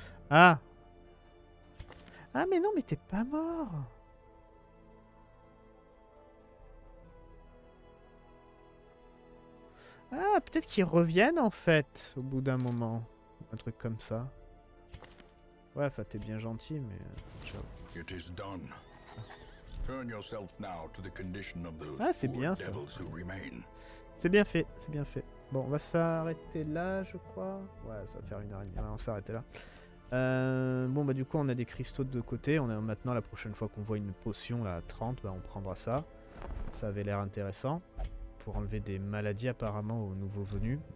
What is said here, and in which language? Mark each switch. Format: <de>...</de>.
<fr>Ah ! Ah, mais non, mais t'es pas mort ! Ah, peut-être qu'ils reviennent, en fait, au bout d'un moment. Un truc comme ça. Ouais, enfin, t'es bien gentil, mais...</fr> <en>It is done. Turn yourself now to the condition of those</en> <fr>ah, c'est bien, ça.</fr> <en>Devils who remain.</en> <fr>C'est bien fait, c'est bien fait. Bon, on va s'arrêter là, je crois. Ouais, ça va faire une heure et demie. Ouais, on s'arrête là. Bon, bah, du coup, on a des cristaux de côté. On est maintenant, la prochaine fois qu'on voit une potion, là, à 30, bah, on prendra ça. Ça avait l'air intéressant. Pour enlever des maladies, apparemment, aux nouveaux venus.</fr>